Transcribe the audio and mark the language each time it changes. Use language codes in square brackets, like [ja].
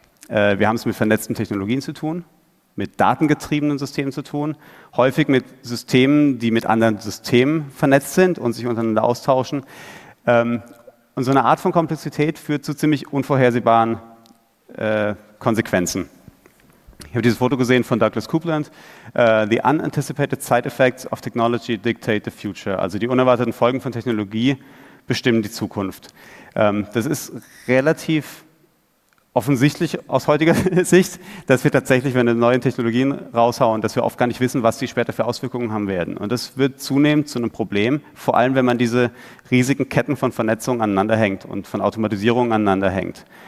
[de] Wir haben es mit vernetzten Technologien zu tun, mit datengetriebenen Systemen zu tun, häufig mit Systemen, die mit anderen Systemen vernetzt sind und sich untereinander austauschen. Und so eine Art von Komplexität führt zu ziemlich unvorhersehbaren Konsequenzen. Ich habe dieses Foto gesehen von Douglas Coupland. [en] The unanticipated side effects of technology dictate the future. [de] Also die unerwarteten Folgen von Technologie bestimmen die Zukunft. Das ist relativ offensichtlich aus heutiger Sicht, dass wir tatsächlich, wenn wir neue Technologien raushauen, dass wir oft gar nicht wissen, was die später für Auswirkungen haben werden. Und das wird zunehmend zu einem Problem, vor allem, wenn man diese riesigen Ketten von Vernetzung aneinander hängt und von Automatisierung aneinander hängt.